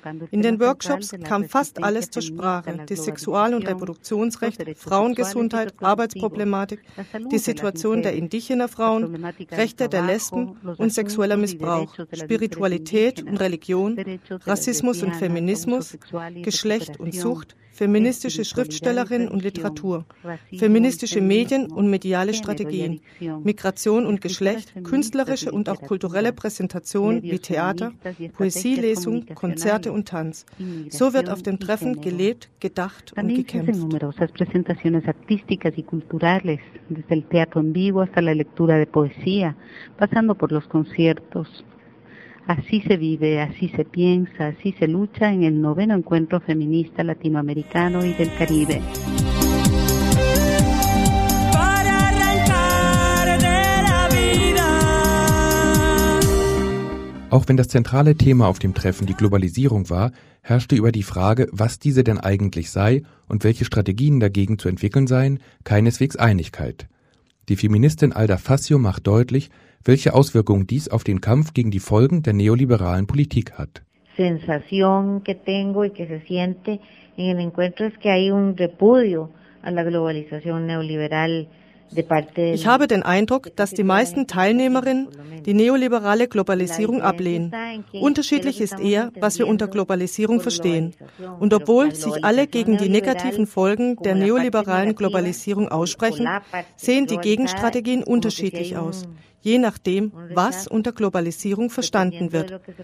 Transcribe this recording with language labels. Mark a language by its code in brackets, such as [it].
[de] In den Workshops kam fast alles zur Sprache: das Sexual- und Reproduktionsrecht, Frauengesundheit, Arbeitsproblematik, die Situation der indigener Frauen, Rechte der Lesben und sexueller Missbrauch, Spiritualität und Religion, Rassismus und Feminismus, Geschlecht und Sucht, feministische Schriftstellerinnen und Literatur, feministische Medien und mediale Strategien, Migration und Geschlecht, künstlerische und auch kulturelle Präsentationen wie Theater, Poesielesung, Konzerte und Tanz. So wird auf dem Treffen gelebt, gedacht und gekämpft. Es gibt numerose [es] Präsentationen artísticas y culturales, desde el teatro en vivo hasta la lectura de poesía, pasando por los conciertos. Así se vive, así se piensa, así se lucha en el noveno encuentro feminista latinoamericano y del Caribe. Para arrancar de la vida. [de] Auch wenn das zentrale Thema auf dem Treffen die Globalisierung war, herrschte über die Frage, was diese denn eigentlich sei und welche Strategien dagegen zu entwickeln seien, keineswegs Einigkeit. Die Feministin Alda Facio macht deutlich, welche Auswirkungen dies auf den Kampf gegen die Folgen der neoliberalen Politik hat. [es] Sensación que tengo y que se siente en el encuentro es que hay un repudio a la globalización neoliberal [de] Ich habe den Eindruck, dass die meisten Teilnehmerinnen die neoliberale Globalisierung ablehnen. Unterschiedlich ist eher, was wir unter Globalisierung verstehen. Und obwohl sich alle gegen die negativen Folgen der neoliberalen Globalisierung aussprechen, sehen die Gegenstrategien unterschiedlich aus, je nachdem, was unter Globalisierung verstanden wird.